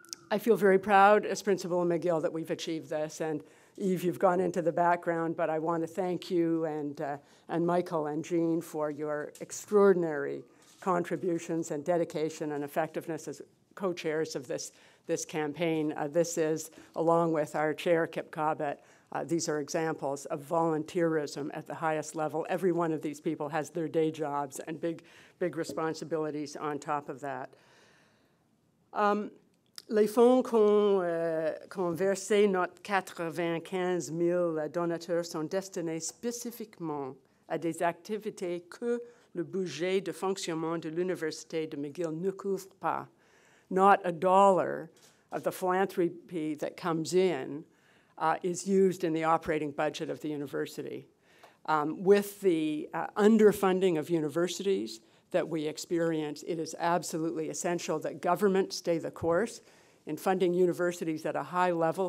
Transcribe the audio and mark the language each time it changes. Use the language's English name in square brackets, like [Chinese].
[English] I feel very proud as Principal McGill that we've achieved this, and Eve, you've gone into the background, but I want to thank you and Michael and Jean for your extraordinary contributions and dedication and effectiveness as co-chairs of this campaign. This is, along with our chair, Kip Cobbett, these are examples of volunteerism at the highest level. Every one of these people has their day jobs and big responsibilities on top of that. [French] Les fonds qu'ont versé notre 95,000 donateurs sont destinés spécifiquement à des activités que le budget de fonctionnement de l'Université de McGill ne couvre pas. [English] Not a dollar of the philanthropy that comes in is used in the operating budget of the university. With the underfunding of universities that we experience, it is absolutely essential that government stay the course in funding universities at a high level.